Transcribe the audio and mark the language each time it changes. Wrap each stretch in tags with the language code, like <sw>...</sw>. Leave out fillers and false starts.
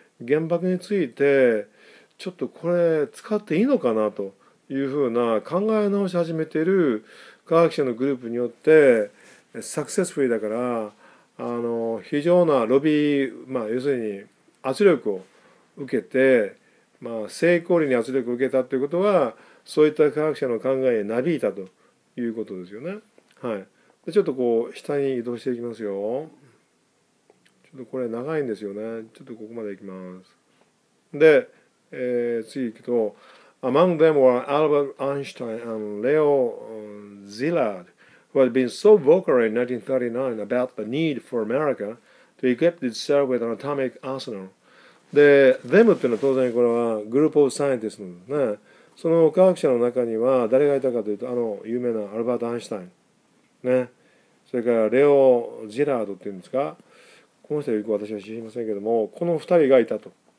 <ja>原爆についてちょっとこれ使っていいのかなというふうな考え直し始めている科学者のグループによって、successfully だから非常なロビー、まあ要するに圧力を受けて、まあ、成功率に圧力を受けたということは、そういった科学者の考えになびいたということですよね。はい。で、ちょっとこう下に移動していきますよ。ちょっとこれ長いんですよね。ちょっとここまで行きます。</ja> <en>で、次行くと、 Among them were Albert Einstein and Leo Szilard, who had been so vocal in 1939 about the need for America to equip itself with an atomic arsenal.</en> <ja>で、デムっていうのは当然これはグループオブサイエンティストですね。その科学者の中には誰がいたかというと、あの有名なアルバート・アインシュタイン。ね。それからレオ・ジェラードっていうんですか。この人はよく私は知りませんけども、この二人がいたと。</ja>